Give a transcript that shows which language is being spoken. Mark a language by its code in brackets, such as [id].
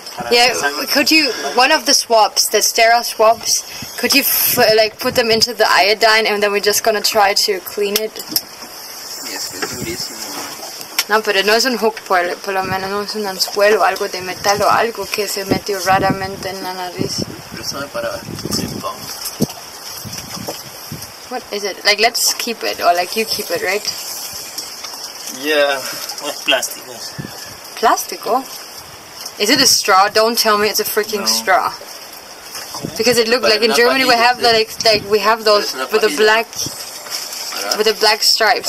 [en] Yeah, could you, one of the swabs, the sterile swabs, could you, like, put them into the iodine, and then we're just gonna try to clean it? Yes, it's [es] durísimo. No, pero no es un [en] hook, [es] por lo menos, no es un anzuelo, algo de metal o algo que se metió raramente en la nariz. Pero eso me paraba. [en] What is it? Like, let's keep it, or like, you keep it, right? Yeah. [es] Es plástico. ¿Plástico? [en] Is it a straw? Don't tell me it's a freaking no. Straw. Because it looked like in Germany we have the, like we have those with the black, with the black stripes.